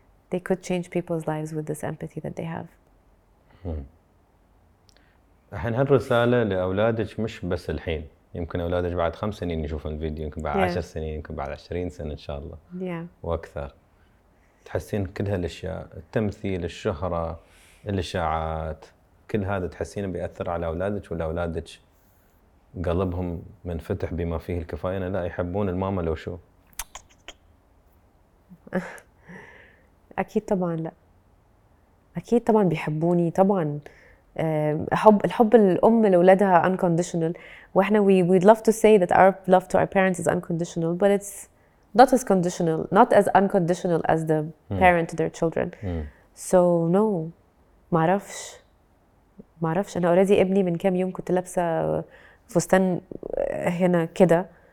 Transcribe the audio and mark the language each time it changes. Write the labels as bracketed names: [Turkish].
[English] they could change people's lives with this empathy that they have. [Arabic] الحين هالرسالة لأولادك مش بس الحين، يمكن أولادك بعد 5 سنين يشوفون الفيديو، يمكن بعد 10 سنين، يمكن بعد 20 سنة إن شاء الله. وأكثر. تحسين كل هالأشياء، التمثيل، الشهرة، الإشاعات، كل هذا تحسين بيأثر على أولادك، ولا أولادك قلبهم منفتح بما فيه الكفاية؟ أنا لا، يحبون الماما لو شو. أكيد طبعاً، لا أكيد طبعاً بيحبوني طبعاً. حب، الحب الأم لولادها unconditional. [English] وإحنا we'd love to say that our love to our parents is unconditional, but it's not as conditional, not as unconditional as the parent to their children. So no, [Arabic] ما عرفش. أنا already ابني من كم يوم كنت لابسة فستان هنا كده.